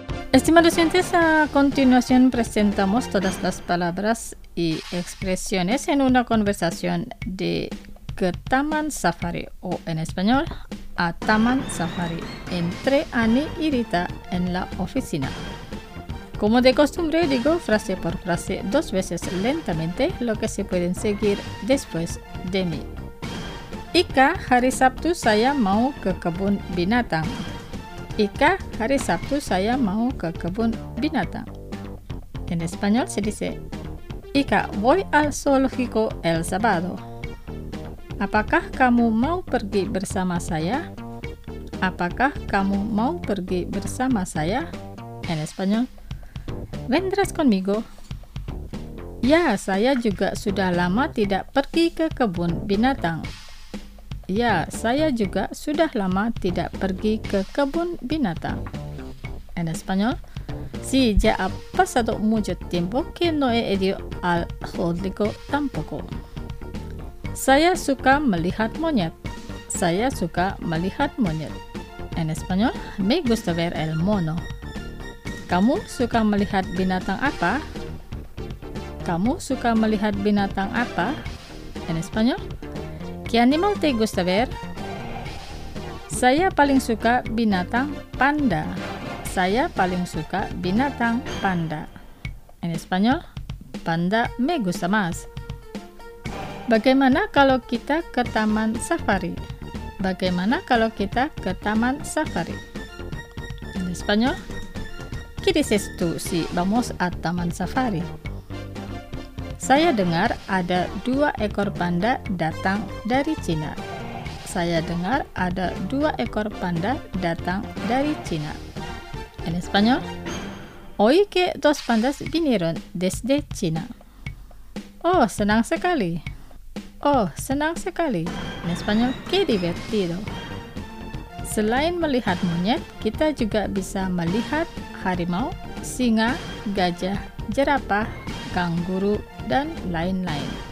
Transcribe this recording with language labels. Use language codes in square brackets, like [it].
[es] Estimados oyentes, a continuación presentamos todas las palabras y expresiones en una conversación de Taman Safari, o en español, a Taman Safari, entre Annie y Rita en la oficina. Como de costumbre, digo frase por frase dos veces lentamente lo que se pueden seguir después de mí. [id] Ika, hari Sabtu saya mau ke kebun binatang. Ika, hari Sabtu saya mau ke kebun binatang. [es] En español se dice, Ika, voy al zoológico el sábado. [id] Apakah kamu mau pergi bersama saya? Apakah kamu mau pergi bersama saya? [es] En español, vendrás conmigo. [id] Ya, saya juga sudah lama tidak pergi ke kebun binatang. Ya, saya juga sudah lama tidak pergi ke kebun binatang. [es] En español, sí, ya ha pasado mucho tiempo que no he ido al zoológico tampoco. [id] Saya suka melihat monyet. Saya suka melihat monyet. [es] En español, me gusta ver el mono. [id] Kamu suka melihat binatang apa? Kamu suka melihat binatang apa? [es] En español, ¿qué animal te gusta ver? [id] Saya paling suka binatang panda. Saya paling suka binatang panda. [es] En español, panda me gusta más. [id] Bagaimana kalau kita ke taman safari? Bagaimana kalau kita ke taman safari? [es] En español, ¿qué dices tú si vamos a taman safari? [id] Saya dengar ada dua ekor panda datang dari Cina. Saya dengar ada dua ekor panda datang dari Cina. [es] En español, oí que dos pandas vinieron desde China. [id] Oh, senang sekali. Oh, senang sekali. [es] En español, qué divertido. [id] Selain melihat monyet, kita juga bisa melihat harimau, singa, gajah, jerapah, kanguru, dan lain-lain.